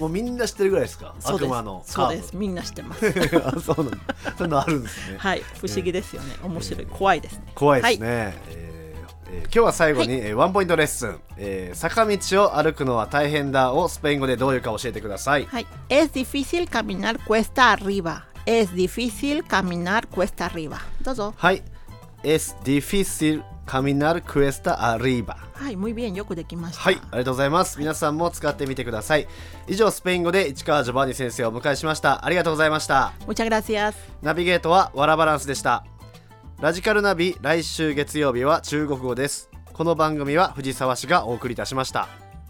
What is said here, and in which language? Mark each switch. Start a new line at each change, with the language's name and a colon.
Japanese: もうみんな知ってるぐらいですか、です悪魔のカーブ。そうです、みんな知ってますあ、そうなんだ、そんなあるんですね。はい、不思議ですよね、面白い、怖いですね。怖いですね。はい、今日は最後に、はい、ワンポイントレッスン、坂道を歩くのは大変だをスペイン語でどういうか教えてください。
Spanish: はい、Es difícil caminar cuesta arriba. Es difícil caminar cuesta arriba.
Japanese: どうぞ。
Spanish: はい、Es difícilCaminar cuesta arriba。
Japanese: はい、
Spanish: muy bien、
Japanese: よくできました。はい、ありがとうございます。皆さんも使ってみてください。以上、スペイン語で市川ジョバニ先生をお迎えしました。ありがとうございました。
Spanish: Muchas gracias。
Japanese: ナビゲートはワラバランスでした。ラジカルナビ、来週月曜日は中国語です。この番組は藤沢氏がお送りいたしました。